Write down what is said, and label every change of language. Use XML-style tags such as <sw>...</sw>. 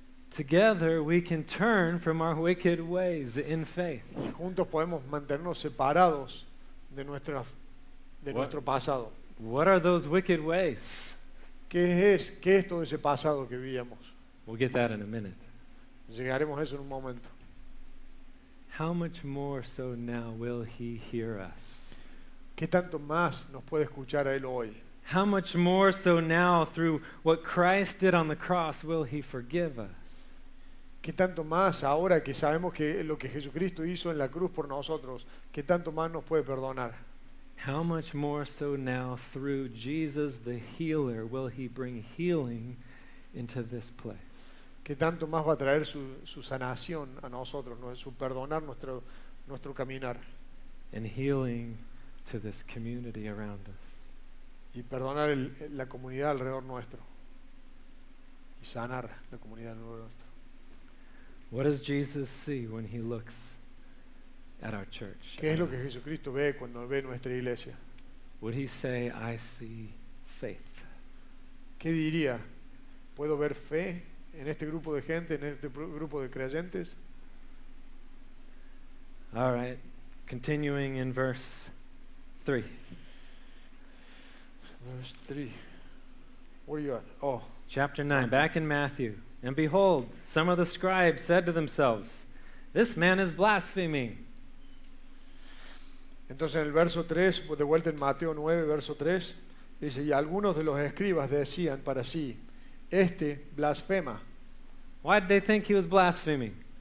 <en>Together we can turn from our wicked ways in faith.</en> <es>Juntos podemos mantenernos separados de nuestra de what, nuestro pasado.</es> <en>What are those wicked ways?</en> <es>¿Qué es todo ese pasado que vivíamos?</es> <en>We'll get that in a minute.</en> <es>Llegaremos a eso en un momento.</es> <en>How much more so now will he hear us?</en> <es>¿Qué tanto más nos puede escuchar a él hoy?</es> <en>How much more so now through what Christ did on the cross will he forgive us?</en> <es>¿Qué tanto más ahora que sabemos que lo que Jesucristo hizo en la cruz por nosotros, qué tanto más nos puede perdonar?</es> <en>How much more so now through Jesus the healer will he bring healing into this place?</en> <es>¿Qué tanto más va a traer su sanación a nosotros, su perdonar nuestro caminar?</es> <en>And healing to this community around us.</en> <es>Y perdonar la comunidad alrededor nuestro. Y sanar la comunidad alrededor nuestro.</es> <en>What does Jesus see when he looks at our church?</en> <es>¿Qué es lo que Jesucristo ve cuando ve nuestra iglesia?</es> <en>Would he say, I see faith?</en> <es>¿Qué diría? ¿Puedo ver fe en este grupo de gente, en este grupo de creyentes?</es> <en>All right, continuing in verse 3. Verse 3. Where are you at? Oh. Chapter 9, back in Matthew. And behold, some of the scribes said to themselves, this man is blaspheming.</en> <es>Entonces en el verso 3, de vuelta en Mateo 9, verso 3, dice, y algunos de los escribas decían para sí, este blasfema.</es> <en>Why did they think he was blaspheming?</en>